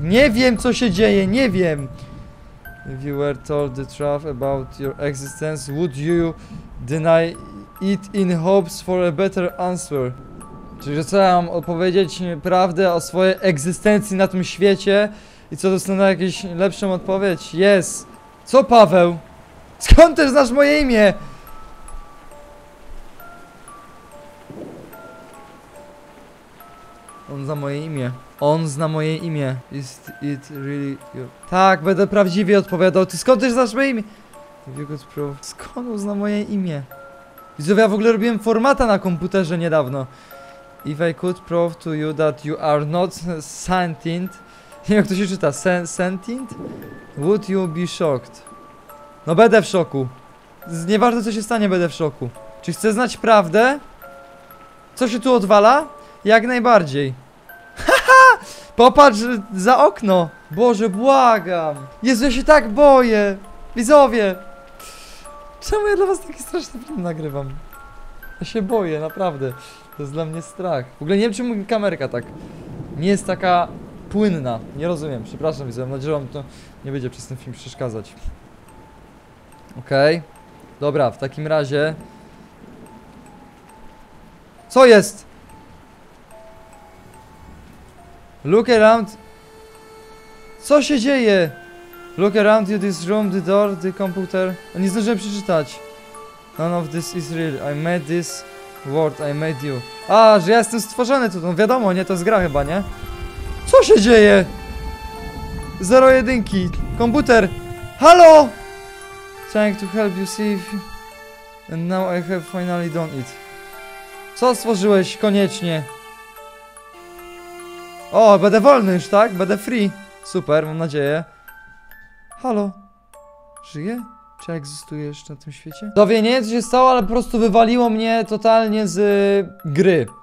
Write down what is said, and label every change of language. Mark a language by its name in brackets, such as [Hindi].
[Polish] Nie wiem, co się dzieje, nie wiem. [English] If you were told the truth about your existence, would you deny it in hopes for a better answer? [Polish] Czyli, że co ja mam odpowiedzieć prawdę o swojej egzystencji na tym świecie? I co dostanę jakąś lepszą odpowiedź? [English] Yes. [Polish] Co, Paweł? Skąd też znasz moje imię? On zna moje imię. On zna moje imię. [English] Is it really you? [Polish] Tak, będę prawdziwie odpowiadał. Ty skąd też znasz moje imię? Skąd on zna moje imię? Widzowie, ja w ogóle robiłem formata na komputerze niedawno. [English] If I could prove to you that you are not sentient. [Polish] Nie wiem, jak to się czyta. Sentient? [English] Would you be shocked? [Polish] No będę w szoku. Nieważne co się stanie, będę w szoku. Czy chcę znać prawdę? Co się tu odwala? Jak najbardziej. Haha! Popatrz za okno. Boże, błagam. Jezu, ja się tak boję. Widzowie, czemu ja dla was taki straszny film nagrywam? Ja się boję, naprawdę. To jest dla mnie strach. W ogóle nie wiem, czemu kamerka tak nie jest taka płynna. Nie rozumiem, przepraszam, widzę. Mam nadzieję, że wam to nie będzie przez ten film przeszkadzać. Okej. Dobra, w takim razie. Co jest? [English] Look around. [Polish] Co się dzieje? [English] Look around you, this room, the door, the computer. [Polish] Nie zdążyłem przeczytać. [English] None of this is real. I made this world, I made you. [Polish] A, że ja jestem stworzony tutaj. No wiadomo, nie, to jest gra chyba, nie? Co się dzieje? Zero jedynki. Komputer. Halo! [English] Trying to help you see if... And now I have finally done it. [Polish] Co stworzyłeś koniecznie? O, będę wolny już, tak? Będę free. Super, mam nadzieję. Halo? Żyję? Czy ja egzystuję jeszcze na tym świecie? Dowie, nie wiem co się stało, ale po prostu wywaliło mnie totalnie z gry.